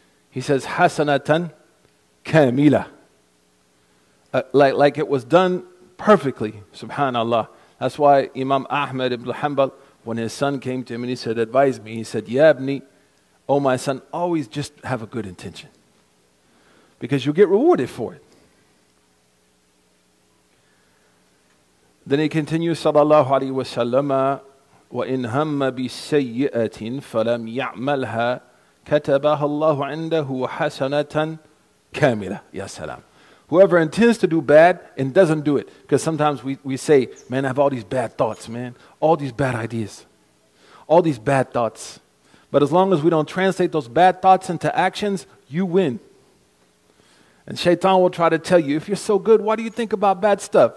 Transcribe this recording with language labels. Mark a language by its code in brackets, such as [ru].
[en] He says hasanatan kamila. Like it was done perfectly, subhanallah. That's why Imam Ahmad ibn Hanbal, when his son came to him and he said, advise me, he said, Yabni, oh my son, always just have a good intention. Because you'll get rewarded for it. Then he continues, sallallahu alayhi wa sallam, [ar] وَإِنْ هَمَّ بِسَيِّئَةٍ فَلَمْ يَعْمَلْهَا كَتَبَهَا اللَّهُ عِنْدَهُ حَسَنَةً كَامِلَةً. Ya salam. [en] Whoever intends to do bad and doesn't do it. Because sometimes we say, man, I have all these bad thoughts, man. All these bad ideas. All these bad thoughts. But as long as we don't translate those bad thoughts into actions, you win. And shaitan will try to tell you, if you're so good, why do you think about bad stuff?